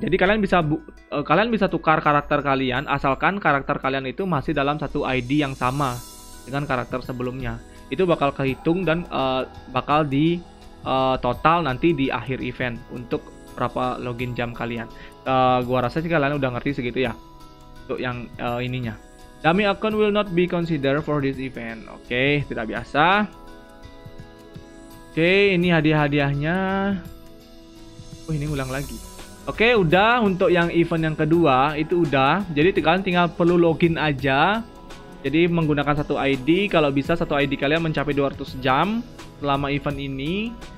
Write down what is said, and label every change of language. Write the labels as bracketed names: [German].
[Indonesian] Jadi kalian bisa tukar karakter kalian asalkan karakter kalian itu masih dalam satu ID yang sama dengan karakter sebelumnya. Itu bakal kehitung dan bakal di total nanti di akhir event untuk berapa login jam kalian. Gua rasa sih kalian udah ngerti segitu ya untuk yang ininya. [English] Dummy account will not be considered for this event. [Indonesian] Oke, tidak biasa. Oke, ini hadiah-hadiahnya. Oh, ini ulang lagi. Oke, udah untuk yang event yang kedua itu udah. Jadi kalian tinggal perlu login aja. Jadi menggunakan satu ID, kalau bisa satu ID kalian mencapai 200 jam selama event ini.